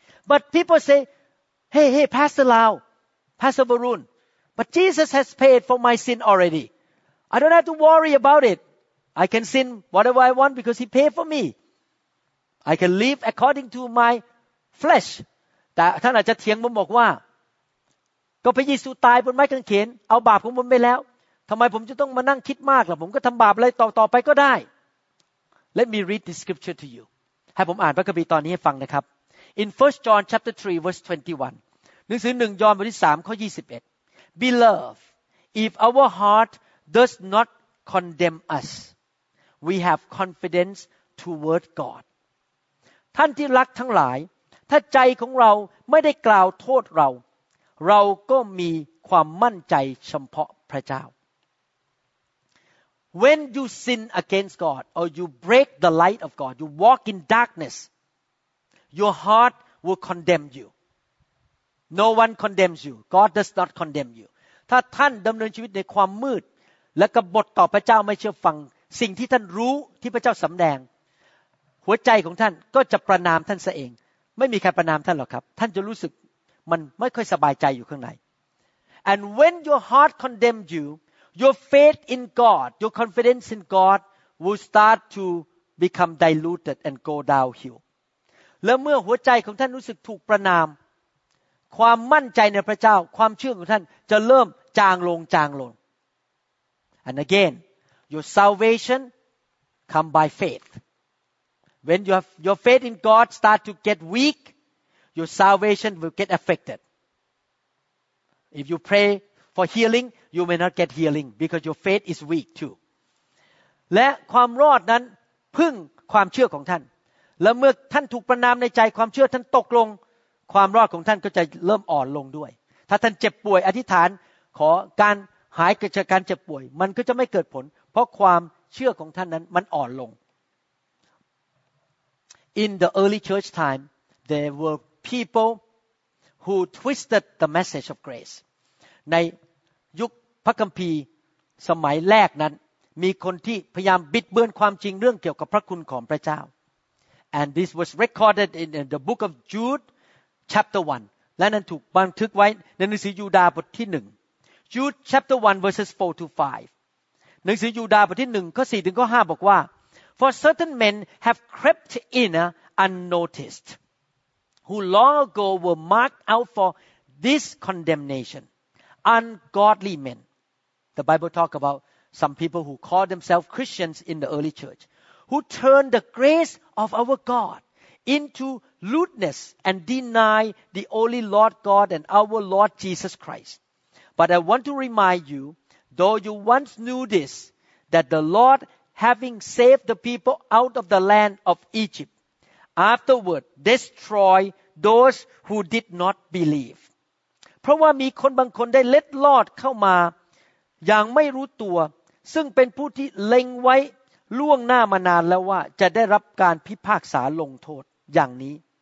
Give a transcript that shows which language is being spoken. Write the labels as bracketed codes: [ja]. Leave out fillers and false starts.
[en] But people say hey Pastor Lau Pastor Varun but Jesus has paid for my sin already I don't have to worry about it I can sin whatever I want because he paid for me I can live according to my flesh [th] แต่ท่านอาจจะเถียงผมบอกว่าก็พระเยซูตายบนไม้กางเขนเอาบาปของผมไปแล้วทำไมผมจะต้องมานั่งคิดมากล่ะผมก็ทำบาปอะไรต่อไปก็ได้ [en] Let me read the scripture to you. [th] ให้ผมอ่านพระคัมภีร์ตอนนี้ให้ฟังนะครับ [en] In 1 John chapter 3 verse 21. [th] หนังสือ1ยอห์นบทที่3ข้อ21. [en] Beloved, if our heart does not condemn us, we have confidence toward God. [th] ท่านที่รักทั้งหลายถ้าใจของเราไม่ได้กล่าวโทษเราเราก็มีความมั่นใจเฉพาะพระเจ้า [en] When you sin against God or you break the light of God, you walk in darkness, your heart will condemn you. No one condemns you. God does not condemn you. [th] ถ้าท่านดำเนินชีวิตในความมืดและกบฏต่อพระเจ้าไม่เชื่อฟังสิ่งที่ท่านรู้ที่พระเจ้าสำแดงหัวใจของท่านก็จะประณามท่านเองไม่มีใครประณามท่านหรอกครับท่านจะรู้สึกมันไม่ค่อยสบายใจอยู่ข้างใน [en] And when your heart condemns you, your faith in God, your confidence in God will start to become diluted and go downhill. [th] และเมื่อหัวใจของท่านรู้สึกถูกประณามความมั่นใจในพระเจ้าความเชื่อของท่านจะเริ่มจางลงจางลง [en] And again, your salvation come by faith. When you have your faith in God start to get weak,Your salvation will get affected. If you pray for healing, you may not get healing because your faith is weak too. [th] และความรอดนั้นพึ่งความเชื่อของท่านและเมื่อท่านถูกประณามในใจความเชื่อท่านตกลงความรอดของท่านก็จะเริ่มอ่อนลงด้วยถ้าท่านเจ็บป่วยอธิษฐานขอการหายจากการเจ็บป่วยมันก็จะไม่เกิดผลเพราะความเชื่อของท่านนั้นมันอ่อนลง [en] In the early church time, there were people who twisted the message of grace [th] ในยุคพระคัมภีร์สมัยแรกนั้นมีคนที่พยายามบิดเบือนความจริงเรื่องเกี่ยวกับพระคุณของพระเจ้า [en] and this was recorded in the book of Jude chapter 1 [th] และนั้นถูกบันทึกไว้ในหนังสือยูดาห์บทที่1 [en] Jude chapter 1 verses 4 to 5 [th] หนังสือยูดาห์บทที่1ข้อ4ถึงข้อ5บอกว่า [en] for certain men have crept in unnoticedwho long ago were marked out for this condemnation. Ungodly men. The Bible talk about some people who call themselves Christians in the early church, who turn the grace of our God into lewdness and deny the only Lord God and our Lord Jesus Christ. But I want to remind you, though you once knew this, that the Lord, having saved the people out of the land of Egypt, afterward destroyedthose who did not believe [th] เพราะว่ามีคนบางคนได้เล็ดลอดเข้ามาอย่างไม่รู้ตัวซึ่งเป็นผู้ที่เล็งไว้ล่วงหน้ามานานแล้วว่าจะได้รับการพิพากษาลงโทษอย่างนี้